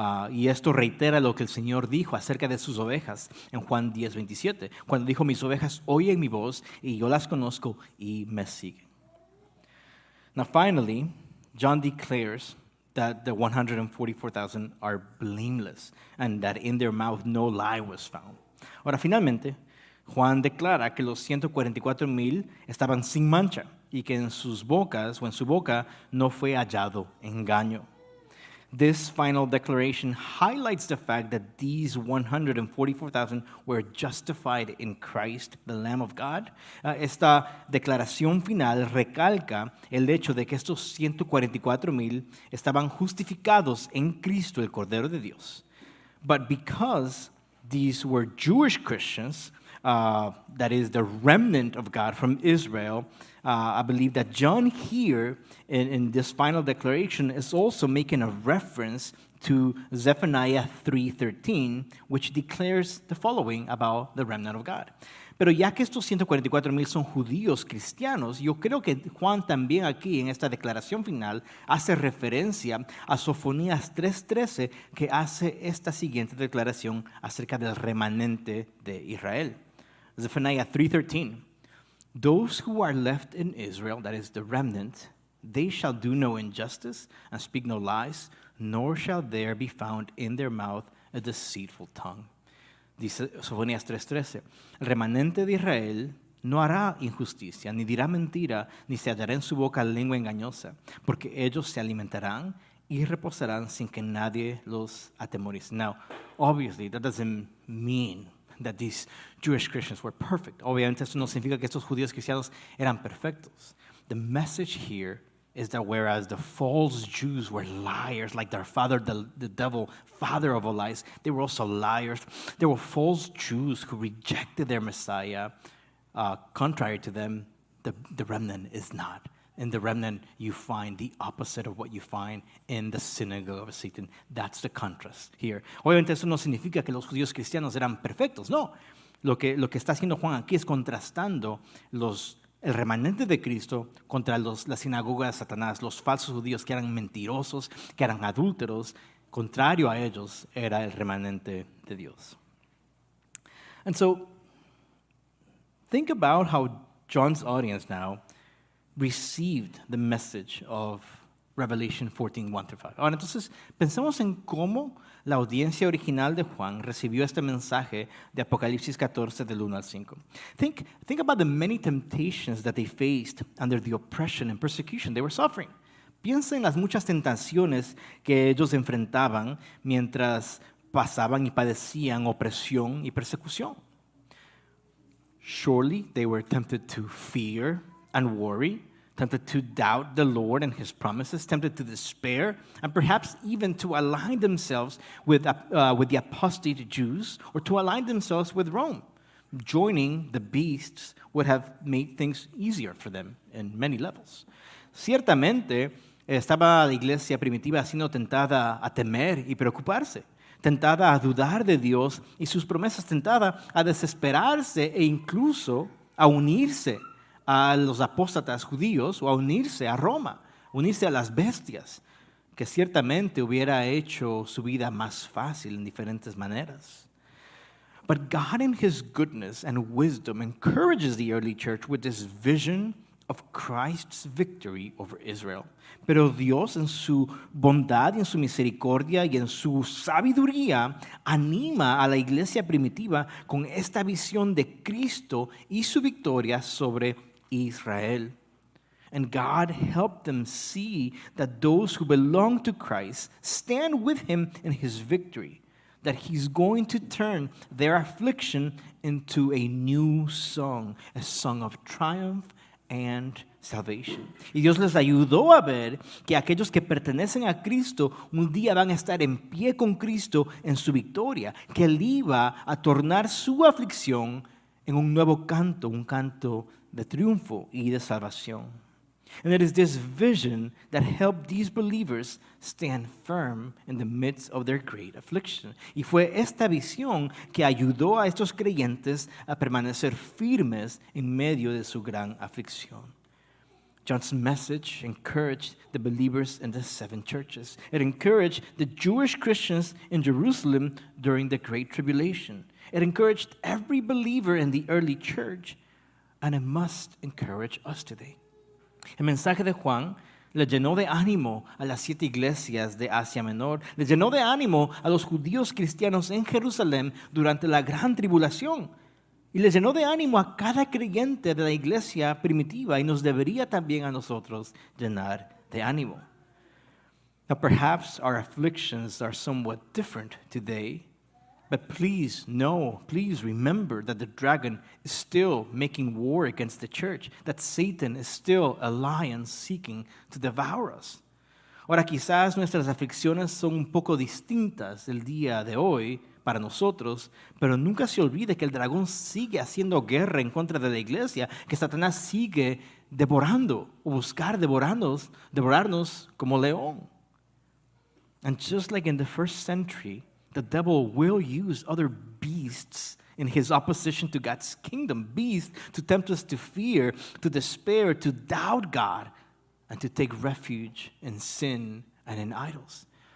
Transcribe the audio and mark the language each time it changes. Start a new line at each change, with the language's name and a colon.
Spanish: Y esto reitera lo que el Señor dijo acerca de sus ovejas en Juan 10:27, cuando dijo, mis ovejas oyen mi voz y yo las conozco y me siguen.
English: Now finally, John declares that the 144,000 are blameless and that in their mouth no lie was found.
Spanish: Ahora finalmente, Juan declara que los 144,000 estaban sin mancha, y que en sus bocas o en su boca no fue hallado engaño.
English: This final declaration highlights the fact that these 144,000 were justified in Christ, the Lamb of God.
Spanish: Esta declaración final recalca el hecho de que estos 144,000 estaban justificados en Cristo, el Cordero de Dios.
English: But because these were Jewish Christians, that is the remnant of God from Israel, I believe that John here in this final declaration is also making a reference to Zephaniah 3:13, which declares the following about the remnant of God.
Spanish: Pero ya que estos 144,000 son judíos cristianos, yo creo que Juan también aquí en esta declaración final hace referencia a Sofonías 3:13, que hace esta siguiente declaración acerca del remanente de Israel.
English: Zephaniah 3:13. Those who are left in Israel, that is the remnant, they shall do no injustice and speak no lies, nor shall there be found in their mouth a deceitful tongue.
Spanish: Dice Sofonías 3:13. El remanente de Israel no hará injusticia, ni dirá mentira, ni se hallará en su boca lengua engañosa, porque ellos se alimentarán y reposarán sin que nadie los atemorice.
English: Now, obviously, that doesn't mean that these Jewish Christians were perfect.
Spanish: Obviamente, esto no significa que estos judíos cristianos eran perfectos.
English: The message here is that whereas the false Jews were liars, like their father, the devil, father of all lies, they were also liars. There were false Jews who rejected their Messiah. Contrary to them, the remnant is not. In the remnant, you find the opposite of what you find in the synagogue of Satan. That's the contrast here.
Spanish: Obviamente, eso no significa que los judíos cristianos eran perfectos. No. Lo que está haciendo Juan aquí es contrastando el remanente de Cristo contra la sinagoga de Satanás, los falsos judíos que eran mentirosos, que eran adúlteros. Contrario a ellos, era el remanente de Dios.
English: And so, think about how John's audience now received the message of Revelation 14:1-5.
Spanish: Ahora, entonces, pensemos en cómo la audiencia original de Juan recibió este mensaje de Apocalipsis 14, del 1 al 5.
English: Think about the many temptations that they faced under the oppression and persecution they were suffering.
Spanish: Piensa en las muchas tentaciones que ellos enfrentaban mientras pasaban y padecían opresión y persecución.
English: Surely they were tempted to fear and worry, tempted to doubt the Lord and his promises, tempted to despair, and perhaps even to align themselves with the apostate Jews, or to align themselves with Rome. Joining the beasts would have made things easier for them in many levels.
Spanish: Ciertamente, estaba la iglesia primitiva siendo tentada a temer y preocuparse, tentada a dudar de Dios y sus promesas, tentada a desesperarse e incluso a unirse a los apóstatas judíos o a unirse a Roma, unirse a las bestias, que ciertamente hubiera hecho su vida más fácil en diferentes maneras.
English: But God in his goodness and wisdom encourages the early church with this vision of Christ's victory over Israel.
Spanish: Pero Dios en su bondad y en su misericordia y en su sabiduría anima a la iglesia primitiva con esta visión de Cristo y su victoria sobre Israel.
English: And God helped them see that those who belong to Christ stand with him in his victory, that he's going to turn their affliction into a new song, a song of triumph and salvation.
Spanish: Y Dios les ayudó a ver que aquellos que pertenecen a Cristo un día van a estar en pie con Cristo en su victoria, que él iba a tornar su aflicción en un nuevo canto, un canto de triunfo y de salvación.
English: And it is this vision that helped these believers stand firm in the midst of their great affliction.
Spanish: Y fue esta visión que ayudó a estos creyentes a permanecer firmes en medio de su gran aflicción.
English: John's message encouraged the believers in the seven churches. It encouraged the Jewish Christians in Jerusalem during the Great Tribulation. It encouraged every believer in the early church, and it must encourage us today.
Spanish: El mensaje de Juan le llenó de ánimo a las siete iglesias de Asia Menor, le llenó de ánimo a los judíos cristianos en Jerusalén durante la gran tribulación, y le llenó de ánimo a cada creyente de la iglesia primitiva, y nos debería también a nosotros llenar de ánimo.
English: Now perhaps our afflictions are somewhat different today, but please know, please remember that the dragon is still making war against the church, that Satan is still a lion seeking to devour us.
Spanish: Ahora quizás nuestras aflicciones son un poco distintas el día de hoy para nosotros, pero nunca se olvide que el dragón sigue haciendo guerra en contra de la iglesia, que Satanás sigue devorando o buscar devorarnos como león.
English: And just like in the first century, the devil will use other beasts in his opposition to God's kingdom, beasts to tempt us to fear, to despair, to doubt God, and to take refuge in sin and in idols.